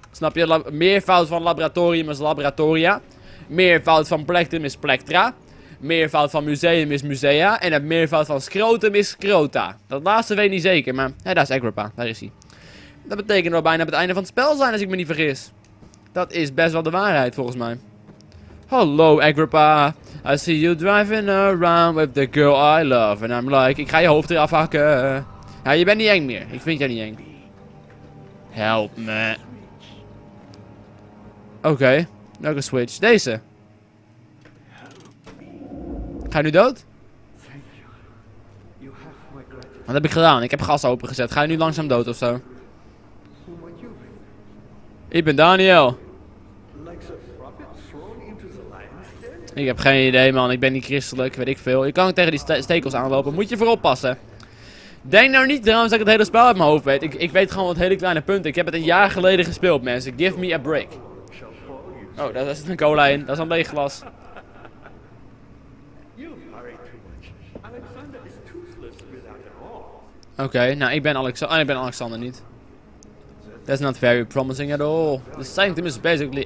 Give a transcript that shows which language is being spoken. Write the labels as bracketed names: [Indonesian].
[Dutch] Snap je? Meer fout van laboratorium is laboratoria. Meer fout van plectrum is plectra. Meer fout van museum is musea. En het meer fout van scrotum is scrota. Dat laatste weet ik niet zeker, maar... Hé, daar is Agrippa. Daar is hij. Dat betekent dat we bijna op het einde van het spel zijn, als ik me niet vergis. Dat is best wel de waarheid, volgens mij. Hallo, Agrippa. [English] I see you driving around with the girl I love. And I'm like, [Dutch] ik ga je hoofd eraf hakken. Ja, je bent niet eng meer. Ik vind jij niet eng. Help me. Oké. Okay. Welke switch? Deze. Ga je nu dood? Wat heb ik gedaan? Ik heb gas opengezet. Ga je nu langzaam dood ofzo? Ik ben Daniel. Ik heb geen idee man, ik ben niet christelijk, weet ik veel. Je kan ook tegen die stekels aanlopen, moet je voor oppassen. Denk nou niet trouwens dat ik het hele spel uit mijn hoofd weet. Ik weet gewoon wat hele kleine punten. Ik heb het een jaar geleden gespeeld mensen. [English] Give me a break. [Dutch] Oh, daar zit een cola in. Dat is een leeg glas. Oké, nou, ik ben Alexander niet. [English] That's not very promising at all. The sanctum is basically...